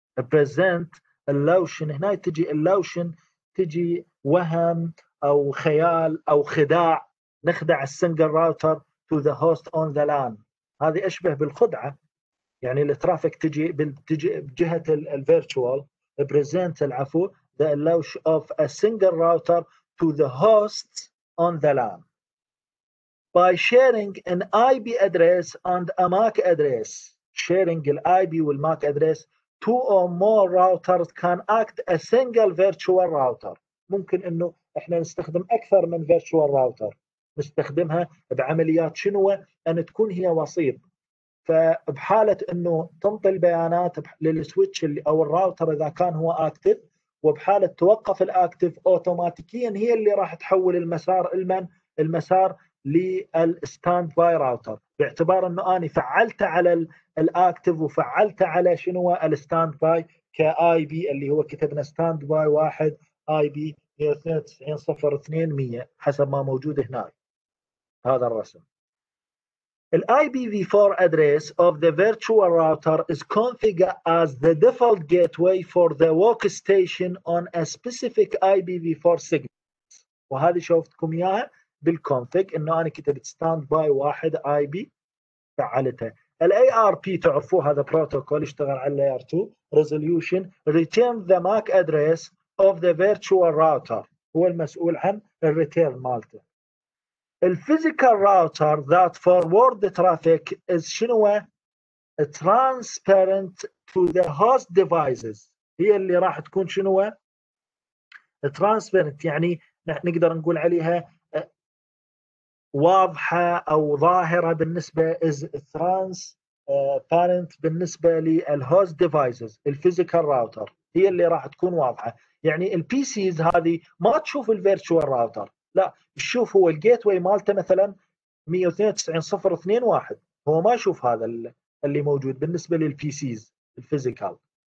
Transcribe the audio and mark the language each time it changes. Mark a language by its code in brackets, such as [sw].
[ar] Present illusion، هنا تجي illusion، تجي وهم أو خيال أو خداع، نخدع السنجل راوتر [en] to the host on the LAN. [ar] هذه أشبه بالخدعة، يعني الترافيك تجي بجهة الفيرتشوال. [en] Present العفو the illusion of a single router to the host on the LAN by sharing an IP address and a MAC address. Sharing the IP with MAC address, two or more routers can act a single virtual router. [ar] ممكن إنه إحنا نستخدم أكثر من virtual router، نستخدمها بعمليات شنو؟ أن تكون هي وسيط. فبحالة إنه تنطي البيانات للسويتش أو الراوتر إذا كان هو أكتيف، وبحالة توقف الأكتيف أوتوماتيكيا هي اللي راح تحول المسار لمن؟ المسار للستاند باي راوتر، باعتبار إنه أنا فعلت على الأكتيف وفعلت على شنو الستاند باي كآي بي اللي هو كتبنا ستاند باي 1 آي بي 192.0.2.100 حسب ما موجود هنا هذا الرسم. [en] The IPv4 address of the virtual router is configured as the default gateway for the workstation on a specific IPv4 signal. [ar] وهذه شوفتكم إياها بالconfig، إنه أنا كتبت standby 1 IP فعلتها. الARP تعرفوه هذا protocol يشتغل على [en] layer 2 resolution return the MAC address of the virtual router، [ar] هو المسؤول عن الريتيرن مالته. [en] The physical router that forward the traffic is شنو؟ transparent to the host devices. [ar] هي اللي راح تكون شنو؟ transparent، يعني نقدر نقول عليها واضحة أو ظاهرة بالنسبة، [en] is transparent [ar] بالنسبة لل host devices. [en] The physical router [ar] هي اللي راح تكون واضحة، يعني ال PCs هذه ما تشوف ال virtual router، لا يشوف هو الجيتوي مالته مثلا 192.0.2.1، هو ما يشوف هذا اللي موجود بالنسبه للبي سيز الفيزيكال.